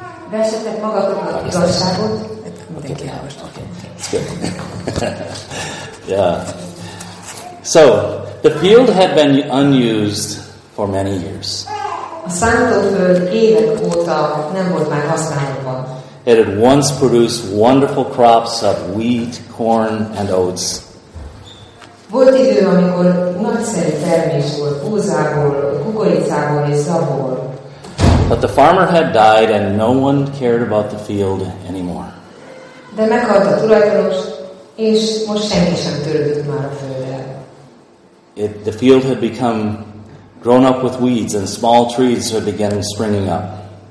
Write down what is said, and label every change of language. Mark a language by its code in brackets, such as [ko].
[hu] Vessetek magatoknak igazságot. [en] Okay. It's good. Yeah. So, the field had been unused for many years. [hu] A szántóföld évek óta nem volt már használva. [en] It had once produced wonderful crops of wheat, corn and oats. [hu] Volt idő, amikor nagyszerű termés volt búzából, kukoricából és szabból. [en] But the farmer had died and no one cared about the field anymore. [hu] De meghalt a tulajdonos, és most senki sem törődött már a földdel. [en] The field had become grown up with weeds and small trees had begun springing up.